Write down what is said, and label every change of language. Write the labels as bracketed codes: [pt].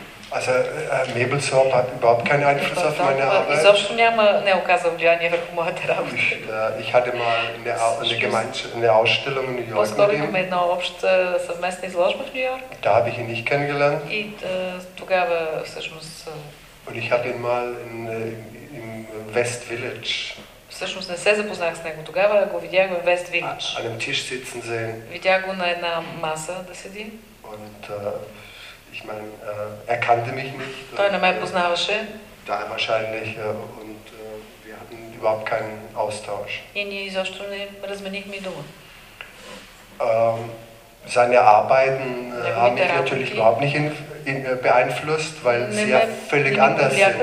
[de] Also Mebelsorb hat überhaupt keinen Einfluss auf meine Arbeit. [bg] Изобщо няма, не оказа влияние върху моята работа. [de] Ich hatte mal eine Ausstellung in New York. [bg] По-скоро имаме една обща съвместна изложба в Нью-Йорк. [de] Da habe ich ihn nicht kennengelernt. [bg] И тогава всъщност. [de] Und ich habe ihn mal in West Village. [bg] Всъщност не се запознах с него тогава, а го видях в West Village. Видях го на една маса да седи. [de] Und, ich mein, er kannte mich nicht. [bg] Той не ме познаваше. [de] Da wahrscheinlich, und, wir hatten überhaupt keinen Austausch. [bg] И ние изобщо не разменихме дума. [de] Seine Arbeiten haben mich natürlich überhaupt nicht beeinflusst, weil sie ja völlig anders sind.